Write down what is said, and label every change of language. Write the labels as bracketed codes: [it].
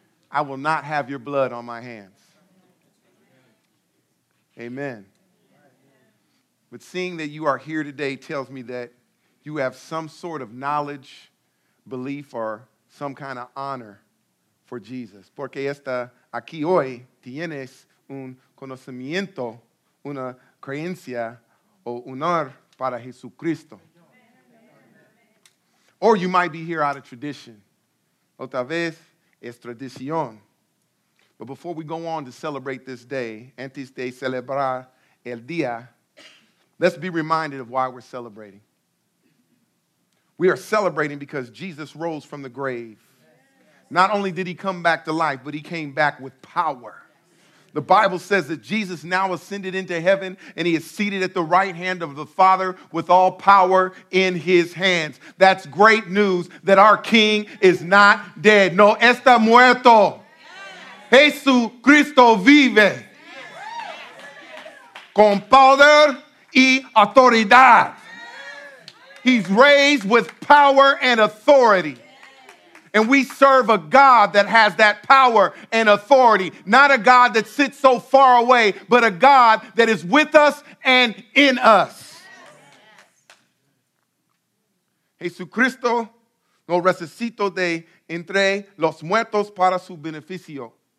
[en] I will not have your blood on my hands. Amen. But seeing that you are here today tells me that you have some sort of knowledge, belief, or some kind of honor for Jesus. [es] Porque esta aquí hoy tienes un conocimiento, una creencia, o honor para Jesucristo. [en] Or you might be here out of tradition. [es] Otra vez es tradición. [en] But before we go on to celebrate this day, [es] antes de celebrar el día, [en] let's be reminded of why we're celebrating. We are celebrating because Jesus rose from the grave. Not only did he come back to life, but he came back with power. The Bible says that Jesus now ascended into heaven and he is seated at the right hand of the Father with all power in his hands. That's great news that our King is not dead. [es] No está muerto. Jesucristo vive. Con poder. Y autoridad. [en] He's raised with power and authority. And we serve a God that has that power and authority. Not a God that sits so far away, but a God that is with us and in us. [es] Jesucristo no resucitó de entre los muertos para su beneficio.